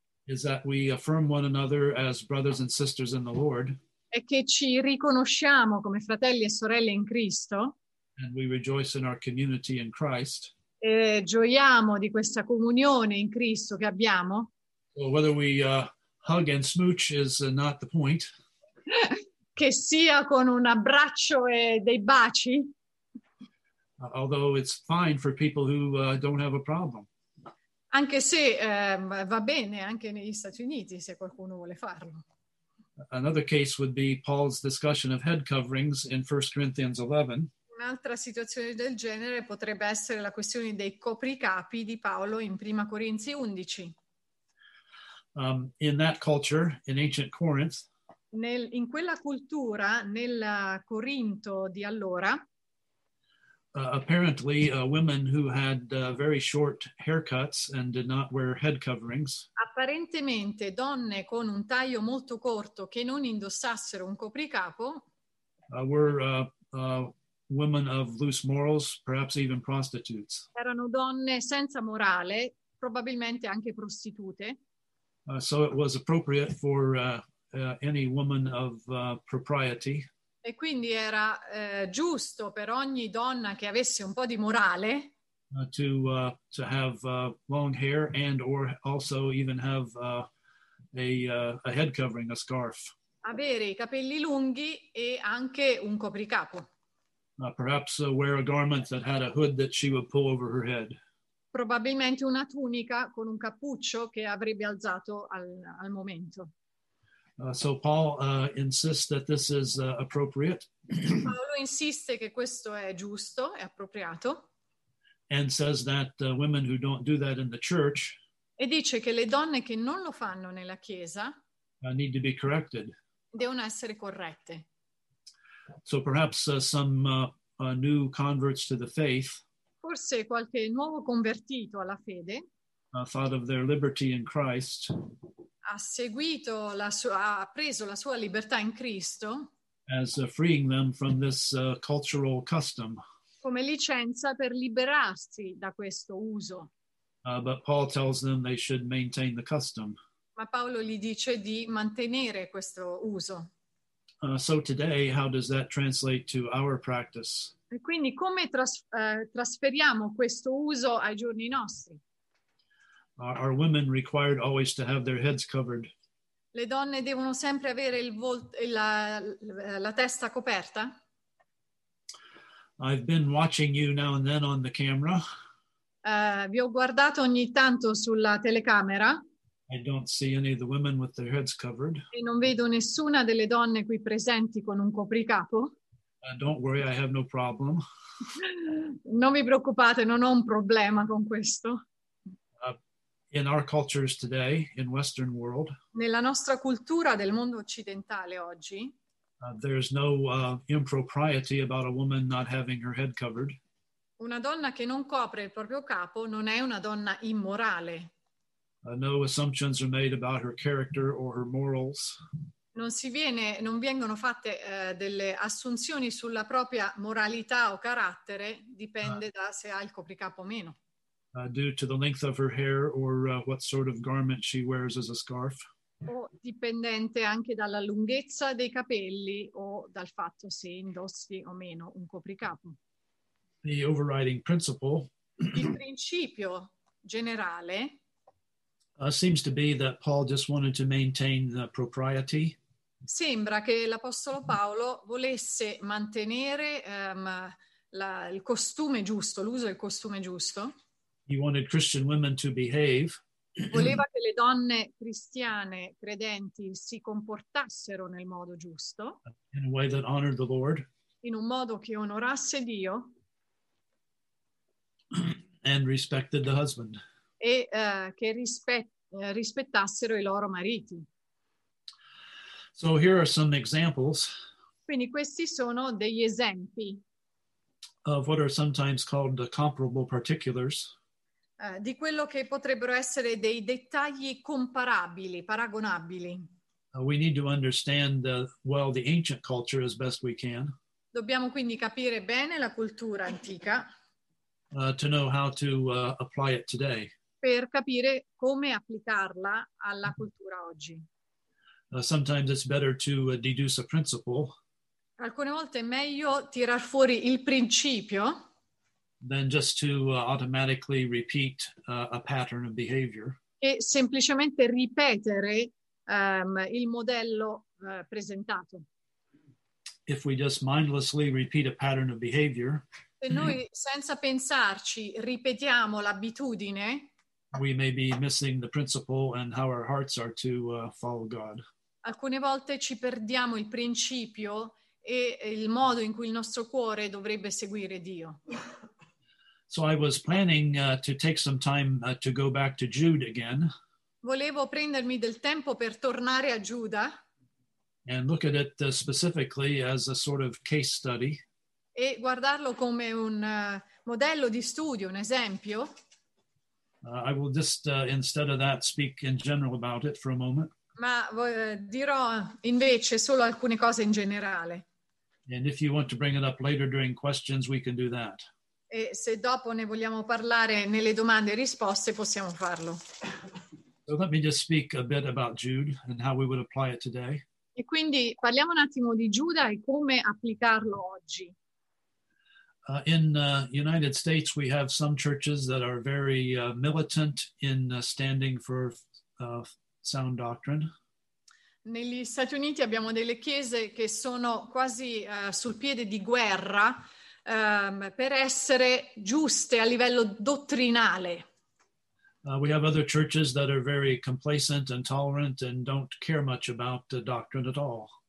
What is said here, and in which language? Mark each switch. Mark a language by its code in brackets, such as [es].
[en] Is that we affirm one another as brothers and sisters in the Lord. [it] È che ci riconosciamo come fratelli e sorelle in Cristo. [en] And we rejoice in our community in Christ. [it] E gioiamo di questa comunione in Cristo che abbiamo. [en] Well, whether we hug and smooch is not the point. [it] Che sia con un abbraccio e dei baci. [en] Although it's fine for people who don't have a problem. [it] Anche se va bene anche negli Stati Uniti se qualcuno vuole farlo. [en] Another case would be Paul's discussion of head coverings in 1 Corinthians 11. [it] Un'altra situazione del genere potrebbe essere la questione dei copricapi di Paolo in 1 Corinzi 11. [en] In that culture, in ancient Corinth, [it] in quella cultura, nel Corinto di allora, [en] apparently, women who had very short haircuts and did not wear head coverings. [it] Apparentemente, donne con un taglio molto corto che non indossassero un copricapo. [en] Were women of loose morals, perhaps even prostitutes. [it] Erano donne senza morale, probabilmente anche prostitute. [en] So it was appropriate for any woman of propriety. [it] E quindi era giusto per ogni donna che avesse un po' di morale [en] to have long hair and or also even have a head covering, a scarf. [it] Avere i capelli lunghi e anche un copricapo. [en] Perhaps wear a garment that had a hood that she would pull over her head. [it] Probabilmente una tunica con un cappuccio che avrebbe alzato al momento. [en] So Paul insists that this is appropriate. [it] Paolo insiste che questo è giusto, è appropriato. [en] And says that women who don't do that in the church. [it] E dice che le donne che non lo fanno nella chiesa. [en] Need to be corrected. [it] Devono essere corrette. [en] So perhaps some new converts to the faith. [it] Forse qualche nuovo convertito alla fede. [en] Thought of their liberty in Christ. [it] Ha preso la sua libertà in Cristo [en] as freeing them from this cultural custom. [it] Come licenza per liberarsi da questo uso. [en] But Paul tells them they should maintain the custom. [it] Ma Paolo gli dice di mantenere questo uso. [en] So today, how does that translate to our practice? [it] Quindi come trasferiamo questo uso ai giorni nostri? [en] Are women required always to have their heads covered? [it] Le donne devono sempre avere la testa coperta? [en] I've been watching you now and then on the camera. [it] Vi ho guardato ogni tanto sulla telecamera. [en] I don't see any of the women with their heads covered. [it] E non vedo nessuna delle donne qui presenti con un copricapo. [en] Don't worry, I have no problem. [it] Non vi preoccupate, non ho un problema con questo. [en] In our cultures today, in Western world, [it] nella nostra cultura del mondo occidentale oggi, [en] there's no impropriety about a woman not having her head covered. [it] Una donna che non copre il proprio capo non è una donna immorale. [en] No assumptions are made about her character or her morals. [it] Non vengono fatte delle assunzioni sulla propria moralità o carattere, dipende da se ha il copricapo o meno. [en] Due to the length of her hair or what sort of garment she wears as a scarf. [it] O dipendente anche dalla lunghezza dei capelli o dal fatto se indossi o meno un copricapo. [en] The overriding principle. [it] Il principio generale. [en] Seems to be that Paul just wanted to maintain the propriety. [it] Sembra che l'Apostolo Paolo volesse mantenere il costume giusto, l'uso del costume giusto. [en] He wanted Christian women to behave. [it] Voleva che le donne cristiane credenti si comportassero nel modo giusto. [en] In a way that honored the Lord. [it] In un modo che onorasse Dio. [en] And respected the husband. [it] E che rispettassero i loro mariti. [en] So here are some examples. [it] Quindi questi sono degli esempi. [en] Of what are sometimes called the comparable particulars. [it] Di quello che potrebbero essere dei dettagli comparabili, paragonabili. [en] We need to understand the ancient culture as best we can. [it] Dobbiamo quindi capire bene la cultura antica. [en] To know how to apply it today. [it] Per capire come applicarla alla cultura oggi. [en] Sometimes it's better to deduce a principle. [it] Alcune volte è meglio tirar fuori il principio. [en] Than just to automatically repeat a pattern of behavior. [it] E semplicemente ripetere il modello presentato. [en] If we just mindlessly repeat a pattern of behavior. [it] Se noi senza pensarci ripetiamo l'abitudine. [en] We may be missing the principle and how our hearts are to follow God. [it] Alcune volte ci perdiamo il principio e il modo in cui il nostro cuore dovrebbe seguire Dio. [en] So I was planning to take some time to go back to Jude again. [it] Volevo prendermi del tempo per tornare a Giuda. [en] And look at it specifically as a sort of case study. [it] E guardarlo come un modello di studio, un esempio. [en] I will just instead of that speak in general about it for a moment. [it] Ma dirò invece solo alcune cose in generale. [en] And if you want to bring it up later during questions, we can do that. [it] E se dopo ne vogliamo parlare nelle domande e risposte, possiamo farlo. [en] So let me just speak a bit about Jude and how we would apply it today. [it] E quindi parliamo un attimo di Giuda e come applicarlo oggi. [en] In the United States, we have some churches that are very militant in standing for sound doctrine. [it] Negli Stati Uniti abbiamo delle chiese che sono quasi sul piede di guerra per essere giuste a livello dottrinale. [en] We have other churches that are very complacent and tolerant and don't care much about the doctrine at all.